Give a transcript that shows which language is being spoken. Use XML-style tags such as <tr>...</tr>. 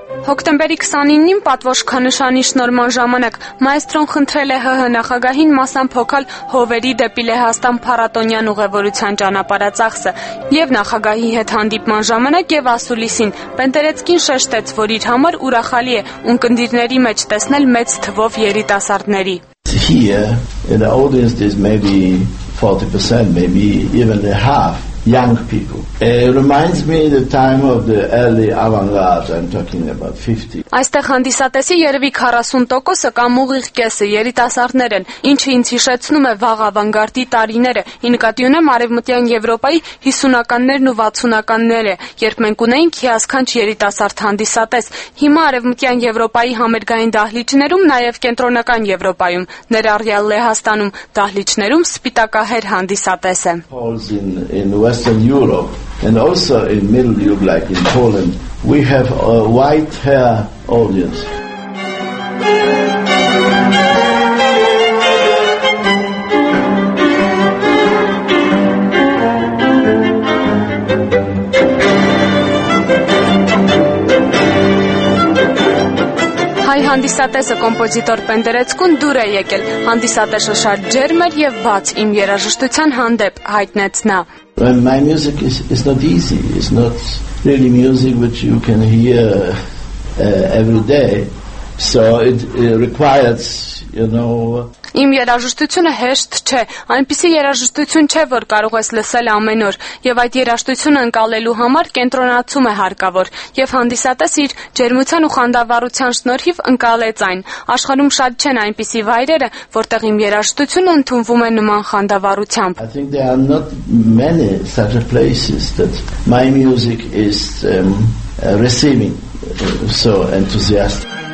<hy>Հոկտեմբերի 29-ին պատվոշքանշանի շնորհման ժամանակ մայստրոն խնդրել է ՀՀ նախագահին մասնափոխել Հովերի դեպի Լեհաստան փառատոնյան ուղևորության ճանապարհածախսը եւ նախագահի հետ հանդիպման ժամանակ եւ ասուլիսին Պենդերեցկին շեշտեց, որ իր համար ուրախալի է ունկնդիրների մեջ տեսնել մեծ թվով երիտասարդների։</hy> <en>Here, the audience is maybe 40%, maybe even a half, young people. It reminds me the time of the early avant-garde, I'm talking about 50.</en> <hy>Այստեղ հանդիսատեսի երևի 40%-ը կամ ուղիղ կեսը երիտասարդներ են, ինչը ինձ հիշեցնում է վաղ ավանգարդի տարիները։ Ի նկատի ունեմ արևմտյան Եվրոպայի 50-ականներն ու 60-ականները, երբ մենք ունեինք հիասքանչ երիտասարդ հանդիսատես։ Հիմա արևմտյան Եվրոպայի համերգային դահլիճներում, նաև կենտրոնական Եվրոպայում, ներառյալ Լեհաստանում, դահլիճներում սպիտակահեր հանդիսատես է։</hy> <en>And also in Middle Europe, like in Poland, we have a white hair audience.</en> <hy>Հայ հանդիսատեսը կոմպոզիտոր Պենդերեցկուն դուր է եկել, հանդիսատեսը շատ ջերմ էր և բաց իմ երաժշտության հանդեպ, հայտնեց նա։</hy> <en>Well, my music is not easy. It's not really music which you can hear every day. So it requires, you know...</en> <hy>Իմ երաժշտությունը հեշտ չէ, այնպիսի երաժշտություն չէ, որ կարող ես լսել ամեն օր, եւ այդ երաժշտությունը ընկալելու համար կենտրոնացում է հարկավոր, եւ հանդիսատես իր ջերմության ու խանդավառության շնորհիվ ընկալեց այն։ Աշխարհում շատ չեն այնպիսի վայրերը, որտեղ իմ երաժշտությունը ընդունվում է նման խանդավառությամբ։</hy> <en>I think there are not many such places that my music is receiving so enthusiastic.</en>